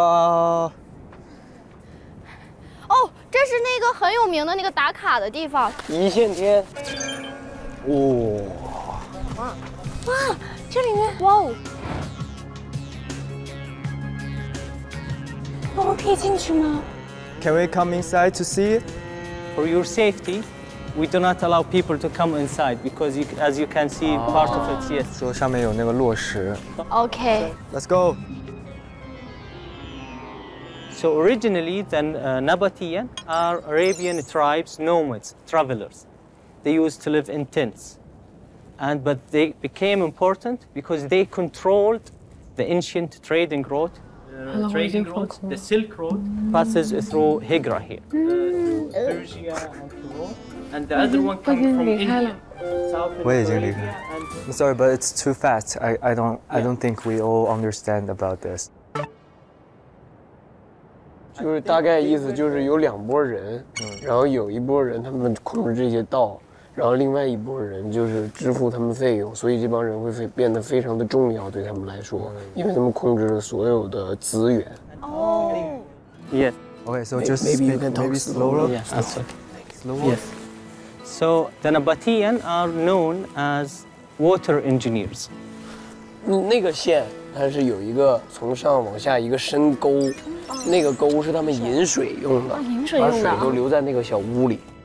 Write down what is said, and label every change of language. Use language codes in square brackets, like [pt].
[zh] 哦，这是那个很有名的那个打卡的地方，一线天。哇、哦、哇，这里面哇哦，我们可以进去吗？ [en] Can we come inside to see it? For your safety, we do not allow people to come inside because you, as you can see,、oh. part of it, yes. [zh] 说上面有那个落石。 [en] OK. Let's go. So originally, the Nabataean are Arabian tribes, nomads, travelers. They used to live in tents. And, but they became important because they controlled the ancient trading route. The Silk Road passes through Hegra here. And the other one coming from India. Wait, Jenny. I'm sorry, but it's too fast. I don't think we all understand about this. [zh] 就是大概意思就是有两拨人，然后有一拨人他们控制这些道，然后另外一拨人就是支付他们费用，所以这帮人会变得非常的重要对他们来说，因为他们控制了所有的资源。 [en] 哦。Yes. Okay, so just maybe you can talk slower. Yes. Slower. Yes. So the Nabataean are known as water engineers. [zh] 那个县它是有一个从上往下一个深沟，那个沟是他们饮水用的，把水都留在那个小屋里。